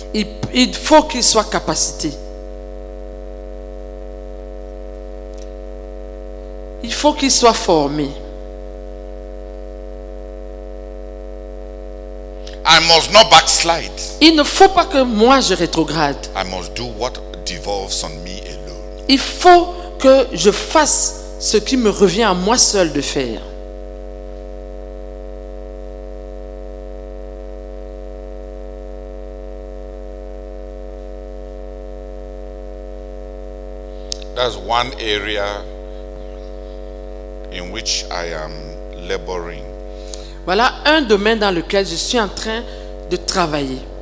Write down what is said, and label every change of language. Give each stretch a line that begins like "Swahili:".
French: Il faut qu'ils soient capacités. Il faut qu'ils soient formés.
English: I must not backslide.
French: Il ne faut pas que moi je rétrograde.
English: I must do what devolves on me alone.
French: Il faut que je fasse ce qui me revient à moi seul de faire.
English: That's one area in which I am laboring.
French: Voilà un domaine dans lequel je suis en train de travailler.